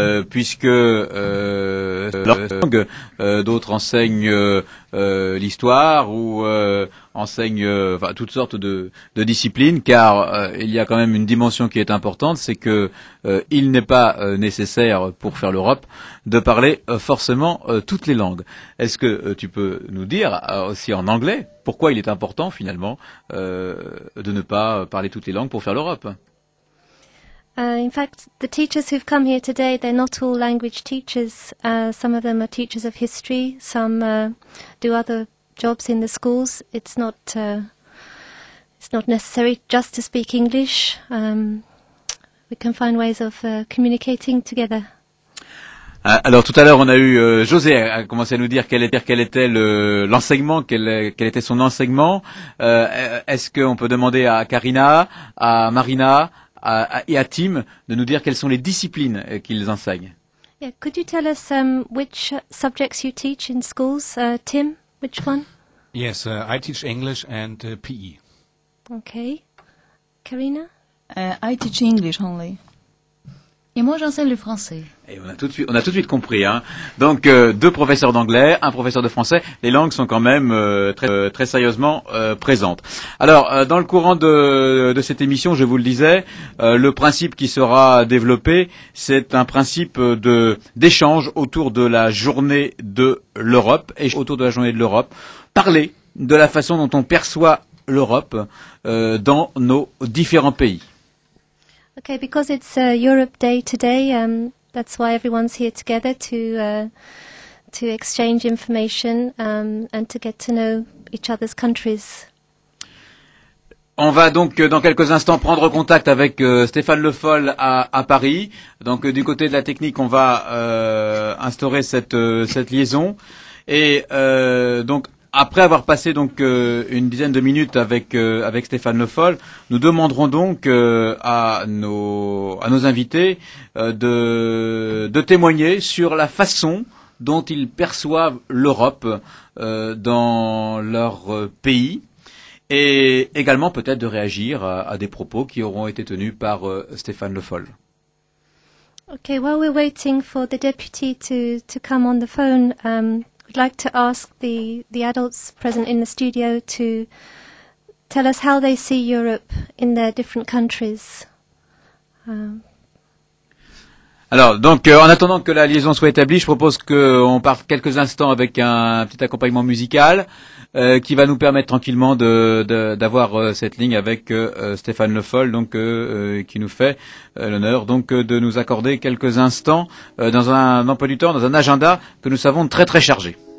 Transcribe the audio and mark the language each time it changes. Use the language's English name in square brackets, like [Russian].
[French] puisque d'autres enseignent l'histoire ou enseignent toutes sortes de disciplines, car il y a quand même une dimension qui est importante, c'est que il n'est pas nécessaire pour faire l'Europe de parler forcément toutes les langues. Est-ce que tu peux nous dire aussi en anglais pourquoi il est important finalement de ne pas parler toutes les langues pour faire l'Europe? [English] In fact, the teachers who've come here today, they're not all language teachers. Some of them are teachers of history. Some do other jobs in the schools. It's not necessary just to speak English. We can find ways of communicating together. [French] Alors tout à l'heure, on a eu José a commencé à nous dire quel était son enseignement. Est-ce qu'on peut demander à Karina, à Marina et à Tim de nous dire quelles sont les disciplines qu'ils enseignent? [English] Yeah, could you tell us which subjects you teach in schools, Tim? Which one? Yes, I teach English and PE. Okay, Karina? I teach English only. [French] Et moi, j'enseigne le français. Et on a tout de suite compris, hein. Donc, deux professeurs d'anglais, un professeur de français. Les langues sont quand même très sérieusement présentes. Alors, dans le courant de cette émission, je vous le disais, le principe qui sera développé, c'est un principe d'échange autour de la journée de l'Europe. Et autour de la journée de l'Europe, parler de la façon dont on perçoit l'Europe dans nos différents pays. [English] Okay, because it's Europe Day today, that's why everyone's here together to exchange information and to get to know each other's countries. [French] On va donc dans quelques instants prendre contact avec Stéphane Le Foll à Paris. Donc du côté de la technique, on va instaurer cette liaison. Et donc après avoir passé donc une dizaine de minutes avec Stéphane Le Foll, nous demanderons donc à nos invités de témoigner sur la façon dont ils perçoivent l'Europe dans leur pays et également peut-être de réagir à des propos qui auront été tenus par Stéphane Le Foll. [English] Okay, while we're waiting for the deputy to come on the phone, we'd like to ask the adults present in the studio to tell us how they see Europe in their different countries. [French] Alors, donc, en attendant que la liaison soit établie, je propose qu'on parte quelques instants avec un petit accompagnement musical qui va nous permettre tranquillement d'avoir cette ligne avec Stéphane Le Foll, donc, qui nous fait l'honneur donc, de nous accorder quelques instants dans un emploi du temps, dans un agenda que nous savons très très chargé.